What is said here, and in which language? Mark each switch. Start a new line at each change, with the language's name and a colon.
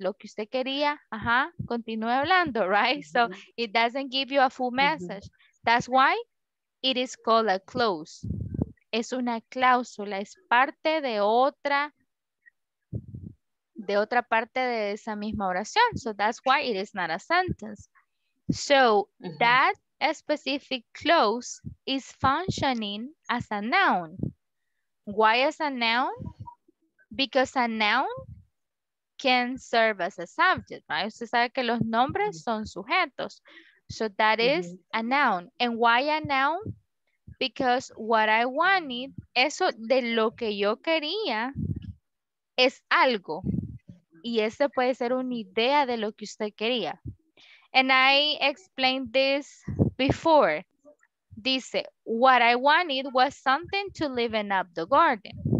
Spanish: Lo que usted quería, ajá, continúe hablando, right?
English: Mm-hmm. So it doesn't give you a full message. Mm-hmm. That's why it is called a clause.
Spanish: Es una cláusula, es parte de otra parte de esa misma oración.
English: So that's why it is not a sentence. So mm-hmm. that specific clause is functioning as a noun. Why as a noun? Because a noun can serve as a subject, right?
Spanish: Usted sabe que los nombres son sujetos.
English: So that is mm-hmm. a noun. And why a noun? Because what I wanted,
Spanish: eso de lo que yo quería, es algo. Y ese puede ser una idea de lo que usted quería.
English: And I explained this before. Dice, what I wanted was something to live in up the garden.